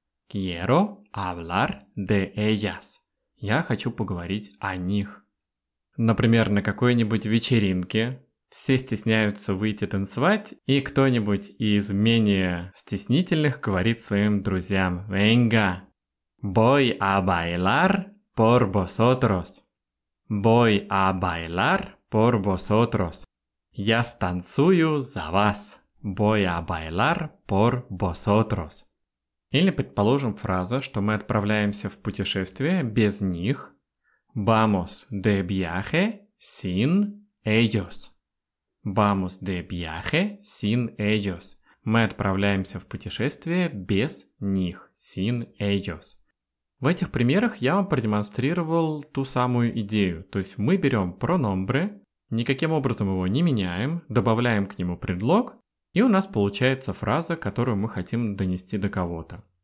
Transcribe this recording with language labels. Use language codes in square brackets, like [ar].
[es] «Quiero hablar de ellas». [ru] Я хочу поговорить о них. Например, на какой-нибудь вечеринке все стесняются выйти танцевать, и кто-нибудь из менее стеснительных говорит своим друзьям: [es] «Venga, voy a bailar por vosotros». «Voy a bailar por vosotros». [ru] «Я станцую за вас». [es] «Voy a bailar por vosotros». [ru] Или, предположим, фраза, что мы отправляемся в путешествие без них. [es] Vamos de viaje sin ellos. Vamos de viaje sin ellos. [ru] Мы отправляемся в путешествие без них. [es] Sin ellos. [ru] В этих примерах я вам продемонстрировал ту самую идею. То есть мы берем pronombre, никаким образом его не меняем, добавляем к нему предлог, и у нас получается фраза, которую мы хотим донести до кого-то.